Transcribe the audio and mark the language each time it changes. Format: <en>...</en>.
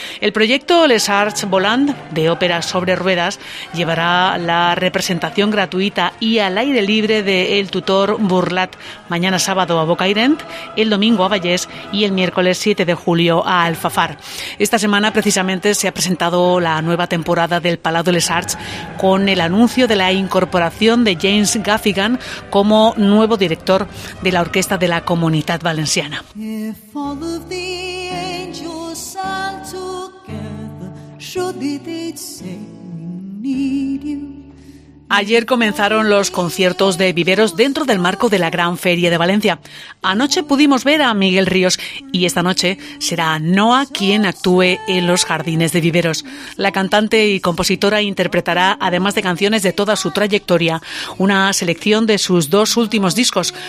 <es>El proyecto Les Arts Volant, de ópera sobre ruedas, llevará la representación gratuita y al aire libre de El Tutor Burlat mañana sábado a Bocairent, el domingo a Vallès y el miércoles 7 de julio a Alfafar. Esta semana precisamente se ha presentado la nueva temporada del Palau de les Arts con el anuncio de la incorporación de James Gaffigan como nuevo director de la Orquesta de la Comunitat Valenciana.</es> <en>If all of the angels are together, should they say we need you?</en> <es>Ayer comenzaron los conciertos de Viveros dentro del marco de la Gran Feria de Valencia. Anoche pudimos ver a Miguel Ríos y esta noche será Noa quien actúe en los Jardines de Viveros. La cantante y compositora interpretará, además de canciones de toda su trayectoria, una selección de sus dos últimos discos.</es>